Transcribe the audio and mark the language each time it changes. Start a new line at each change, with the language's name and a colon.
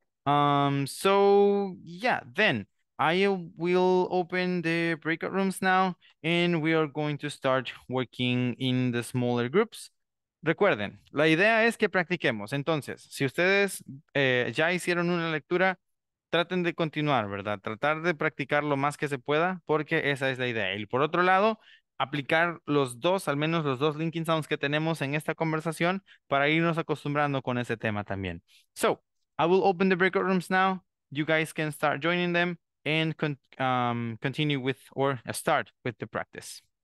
English: So, yeah, then I will open the breakout rooms now and we are going to start working in the smaller groups.
Spanish: Recuerden, la idea es que practiquemos. Entonces, si ustedes ya hicieron una lectura, traten de continuar, ¿verdad? Tratar de practicar lo más que se pueda porque esa es la idea. Y por otro lado, aplicar los dos, al menos los dos linking sounds que tenemos en esta conversación para irnos acostumbrando con ese tema también.
English: So, I will open the breakout rooms now. You guys can start joining them. And continue with or start with the practice.